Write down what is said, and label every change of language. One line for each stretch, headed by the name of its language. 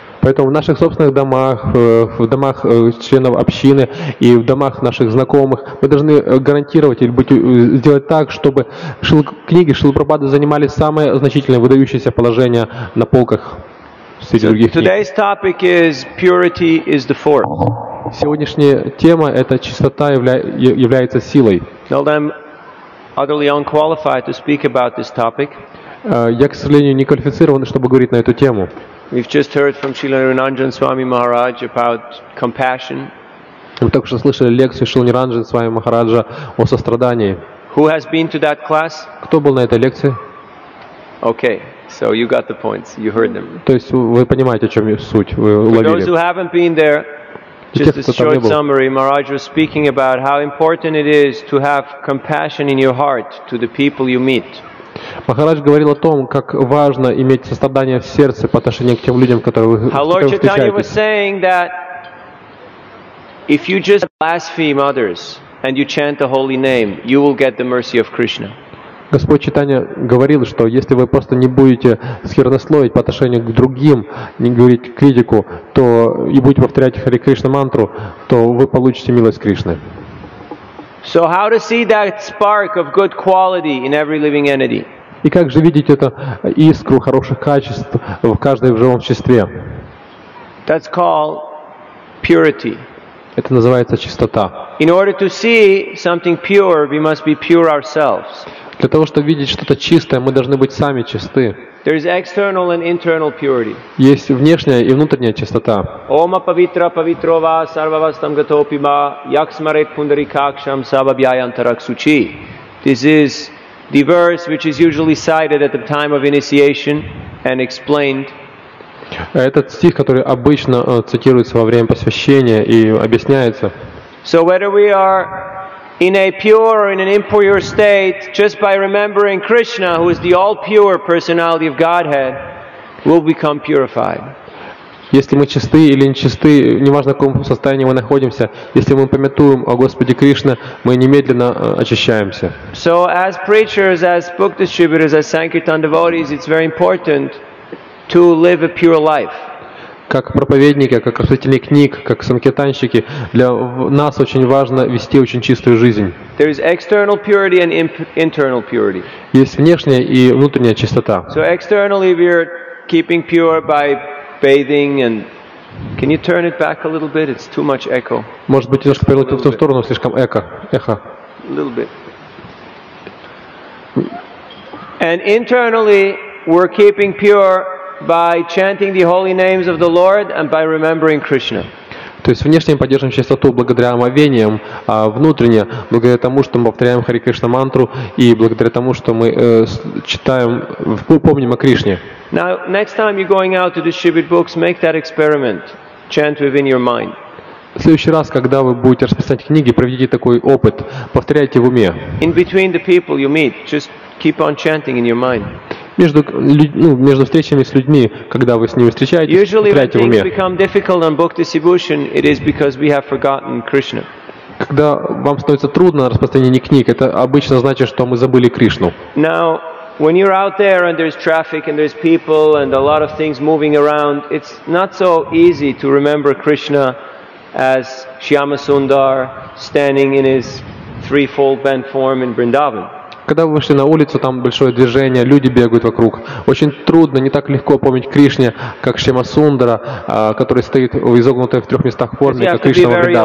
Russian: Поэтому в наших собственных домах, в домах членов общины и в домах наших знакомых мы должны гарантировать или сделать так, чтобы книги Шрилы Прабхупады занимали самое значительное, выдающееся положение на полках среди других книг.
English: Today's topic is purity is the force.
Russian: Сегодняшняя тема – это чистота является силой.
English: Well, I'm utterly unqualified to speak about this topic.
Russian: Я, к сожалению, не квалифицирован, чтобы говорить на эту тему.
English: We've just heard from Srila Niranjan Swami Maharaj about compassion.
Russian: Мы только что слышали лекцию Шрилы Ниранджан Свами Махараджа о сострадании.
English: Who has been to that class?
Russian: Кто был на этой лекции?
English: Okay, so you got the points. You heard them.
Russian: То есть вы понимаете, о чем суть. Вы уловили.
English: For those who haven't been there, just a short summary. Maharaj was speaking about how important it is to have compassion in your heart to the people you meet.
Russian: Махарадж говорил о том, как важно иметь сострадание в сердце по отношению к тем людям, которые вы встречаете. Господь Чайтанья говорил, что если вы просто не будете сквернословить по отношению к другим, не говорить критику, то и будете повторять Хари Кришна мантру, то вы получите милость Кришны.
English: So how to see that spark of good quality in every living entity?
Russian: И как же видеть эту искру хороших качеств в каждом живом существе?
English: That's called purity.
Russian: Это называется чистота.
English: In order to see something pure, we must be pure ourselves.
Russian: Для того, чтобы видеть что-то чистое, мы должны быть сами чисты.
English: There is external and internal purity.
Russian: Есть внешняя и внутренняя чистота.
Sanskrit: Ома павитра павитрова сарвавастам гатопима яксмарет пундарикаксам сабабьяянтараксучи.
English: This is the verse which is usually cited at the time of initiation and explained.
Russian: Этот стих, который обычно цитируется во время посвящения и объясняется.
English: So whether we are in a pure or in an impure state, just by remembering Krishna, who is the all-pure personality of Godhead, will become purified.
Russian: Если мы чисты или нечисты, неважно в каком состоянии мы находимся, если мы памятуем о Господе Кришне, мы немедленно очищаемся.
English: So as preachers, as book distributors, as sankirtan devotees, it's very important to live a pure life.
Russian: Как проповедники, как красители книг, как санкетанщики, для нас очень важно вести очень чистую жизнь.
English: There is external purity and internal purity.
Russian: Есть внешняя и внутренняя чистота.
English: So externally we are keeping pure by bathing and... Can you turn it back a little bit? It's too much echo.
Russian: Может быть, немножко повернуть в ту сторону, слишком эко. Эхо.
English: A little bit. And internally we're keeping pure by chanting the holy names of the Lord and by remembering Krishna.
Russian: То есть внешне мы поддерживаем чистоту благодаря омовениям, а внутренне благодаря тому, что мы повторяем Хари Кришна мантру и благодаря тому, что мы читаем, помним о Кришне.
English: Now, next time you're going out to distribute books, make that experiment. Chant within your mind.
Russian: В следующий раз, когда вы будете распространять книги, проведите такой опыт, повторяйте в уме.
English: In between the people you meet, just keep on chanting in your mind.
Russian: Между встречами с людьми, когда вы с ними встречаетесь, повторяйте в уме. Когда вам становится трудно на распространении книг, это обычно значит, что мы забыли Кришну.
English: Now, when you're out there and there's traffic and there's people and a lot of things moving around, it's not so easy to remember Krishna as Shyama Sundar standing in his threefold bent form in Vrindavan.
Russian: Когда вы вышли на улицу, там большое движение, люди бегают вокруг. Очень трудно, не так легко помнить Кришне, как Шьяма Сундара, который стоит в изогнутой в трех местах форме, как Кришна во